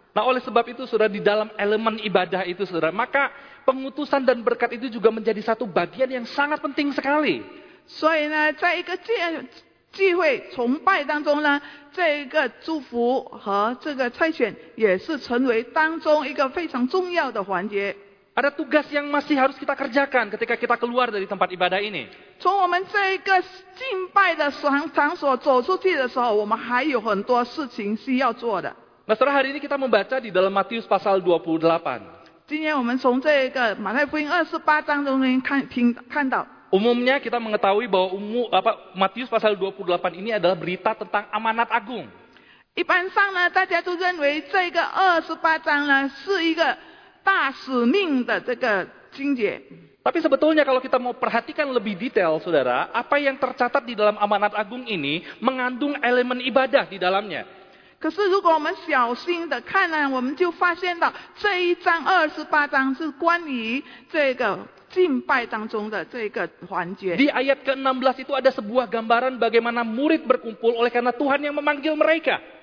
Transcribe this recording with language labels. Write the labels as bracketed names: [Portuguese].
[Indonesian] Nah, oleh sebab itu, saudara, di dalam elemen ibadah itu, saudara, maka pengutusan dan berkat itu juga menjadi satu bagian yang sangat penting sekali. [Chinese] 所以呢，在一个聚会崇拜当中呢，这个祝福和这个差遣也是成为当中一个非常重要的环节。 [Indonesian] Ada tugas yang masih harus kita kerjakan ketika kita keluar dari tempat ibadah ini. [Chinese] 从我们这个敬拜的场所走出去的时候，我们还有很多事情需要做的。 [Indonesian] Nah, setelah hari ini kita membaca di dalam Matius pasal 28. [Chinese] 今天我们从这个马太福音28章中看到。 [Indonesian] Umumnya kita mengetahui bahwa Matius pasal 28 ini adalah berita tentang amanat agung. [Chinese] 一般上呢，大家都认为这个28章呢是一个大使命的这个经节。 [Indonesian] Tapi sebetulnya kalau kita mau perhatikan lebih detail, saudara, apa yang tercatat di dalam amanat agung ini mengandung elemen ibadah di dalamnya. [Chinese] 可是如果我们小心的看呢，我们就发现到这一章二十八章是关于这个敬拜当中的这个环节。 [Indonesian] Di ayat ke-16 itu ada sebuah gambaran bagaimana murid berkumpul oleh karena Tuhan yang memanggil mereka.